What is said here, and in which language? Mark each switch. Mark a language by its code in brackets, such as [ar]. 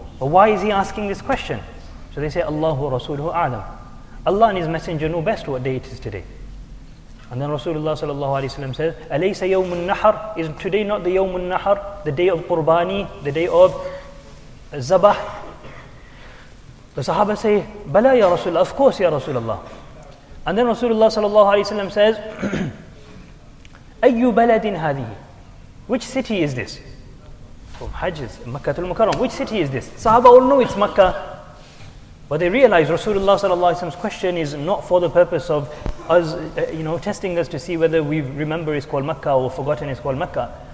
[en] But why is he asking this question? So they say, [ar] Allahu Rasuluhu A'lam. [en] Allah and His Messenger know best what day it is today. And then Rasulullah sallallahu alayhi wa sallam says, [ar] أَلَيْسَ يَوْمُ النَّحَر, [en] is today not the يَوْمُ النَّحَر, the day of Qurbani, the day of Zabah? The Sahaba say, [ar] بَلَا يَا رَسُولَ, [en] of course [ar] يَا رَسُولَ اللَّهِ. [en] And then Rasulullah sallallahu alayhi wa sallam says, [ar] أَيُّ بَلَدٍ هَذِهِ, [en] which city is this? From Hajj, Makkah al-Mukarram, which city is this? Sahaba all know it's Makkah. But they realize Rasulullah sallallahu alayhi wa sallam's question is not for the purpose of us, testing us to see whether we remember it's called Makkah or forgotten it's called Makkah.